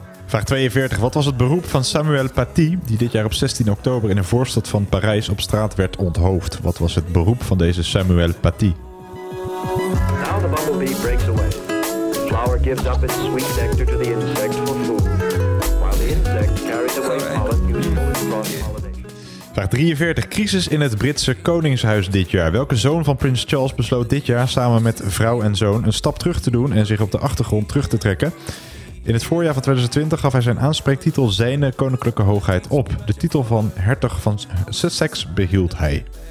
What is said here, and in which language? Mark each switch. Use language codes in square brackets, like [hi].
[nl] Vraag 42. Wat was het beroep van Samuel Paty, die dit jaar op 16 oktober in een voorstad van Parijs op straat werd onthoofd? Wat was het beroep van deze Samuel Paty? [en] Now the bumblebee breaks away. The flower gives up its sweet nectar to the insect for food. While the insect carries away pollen useful in cross-pollination. [nl] Vraag 43. Crisis in het Britse koningshuis dit jaar. Welke zoon van prins Charles besloot dit jaar samen met vrouw en zoon een stap terug te doen en zich op de achtergrond terug te trekken? In het voorjaar van 2020 gaf hij zijn aanspreektitel Zijne Koninklijke Hoogheid op. De titel van hertog van Sussex behield hij.